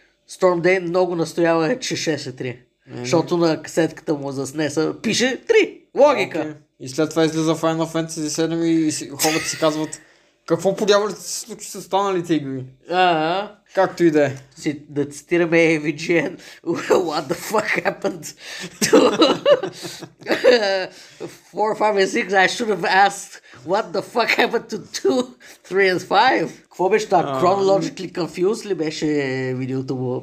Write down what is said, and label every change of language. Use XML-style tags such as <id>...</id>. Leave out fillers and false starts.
<bg>Storm Day много настоява, че 6 е 3. Защото на касетката му за SNES-а пише 3. Логика.</bg> <en>Okay.</en> <bg>И след това излиза Final Fantasy 7 и хората си казват Какво подявалите се случи с останалите игри? А-а-а. Както и да е. Да цитираме AVGN.</bg> <en>What the fuck happened to 4, 5 and 6? I should have asked what the fuck happened to 2, 3 and 5?</en> <bg>Какво беше това?</bg> <en>Chronologically confused</en> <bg>ли беше видеото му?</bg>